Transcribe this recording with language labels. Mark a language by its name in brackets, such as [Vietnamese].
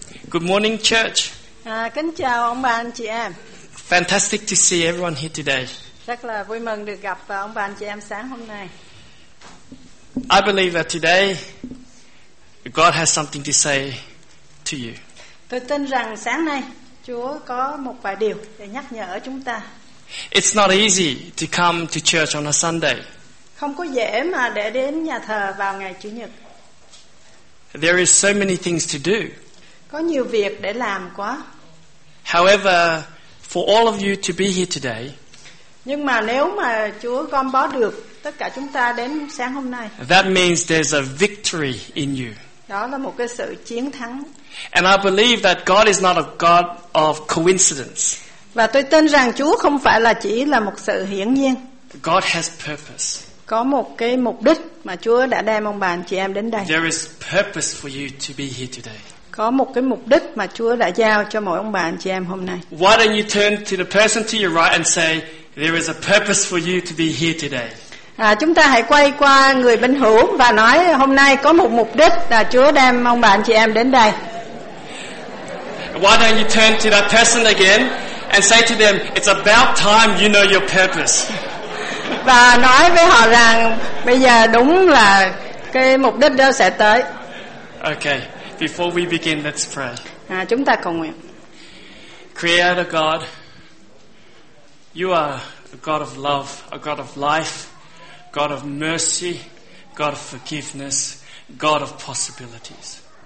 [English] Good morning, church. [Vietnamese] Kính chào ông bà anh chị em. [English] Fantastic to see everyone here today. [Vietnamese] Rất là vui mừng được gặp ông bà anh chị em sáng hôm nay. [English] I believe that today God has something to say to you. [Vietnamese] Tôi tin rằng sáng nay Chúa có một vài điều để nhắc nhở chúng ta. [English] It's not easy to come to church on a Sunday. [Vietnamese] Không có dễ mà để đến nhà thờ vào ngày Chủ nhật. [English] There is so many things to do. [Vietnamese] Có nhiều việc để làm quá. [English] However, for all of you to be here today. [Vietnamese] Nhưng mà nếu mà Chúa combo được tất cả chúng ta đến sáng hôm nay. [English] That means there's a victory in you. [Vietnamese] Đó là một cái sự chiến thắng. [English] And I believe that God is not a God of coincidence. [Vietnamese] Và tôi tin rằng Chúa không phải là chỉ là một sự hiển nhiên. [English] God has purpose. [Vietnamese] Có một cái mục đích mà Chúa đã đem ông bà anh chị em đến đây. [English] There is purpose for you to be here today. [Vietnamese] Có một cái mục đích mà Chúa đã giao cho mỗi ông bà anh chị em hôm nay. [English] Why don't you turn to the person to your right and say, there is a purpose for you to be here today. [Vietnamese] Chúng ta hãy quay qua người bên hữu và nói hôm nay có một mục đích là Chúa đem ông bà anh chị em đến đây. [English] Why don't you turn to that person again and say to them, it's about time you know your purpose. [Vietnamese] Và nói với họ rằng bây giờ đúng là cái mục đích đó sẽ tới. Okay. [English] Before we begin, let's pray. [Vietnamese] Chúng ta cầu nguyện. [English] Creator God, you are a God of love, a God of life, God of mercy, God of forgiveness, God of possibilities.